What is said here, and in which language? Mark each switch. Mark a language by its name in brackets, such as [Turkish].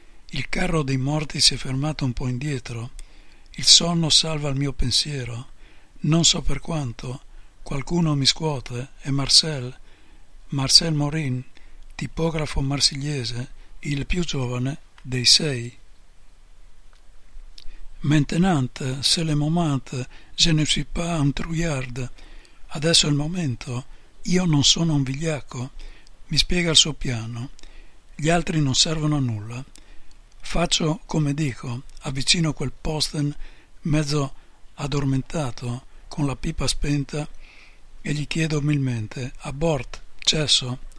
[Italian] Il carro dei morti si è fermato un po' indietro. Il sonno salva il mio pensiero. Non so per quanto. Qualcuno mi scuote. È Marcel Morin, tipografo marsigliese, il più giovane dei sei. [French] Maintenant, c'est le moment, je ne suis pas un trouillard. [Italian] Adesso è il momento. Io non sono un vigliacco. Mi spiega il suo piano. Gli altri non servono a nulla. Faccio come dico. Avvicino quel posten mezzo addormentato con la pipa spenta e gli chiedo umilmente: abort, cesso.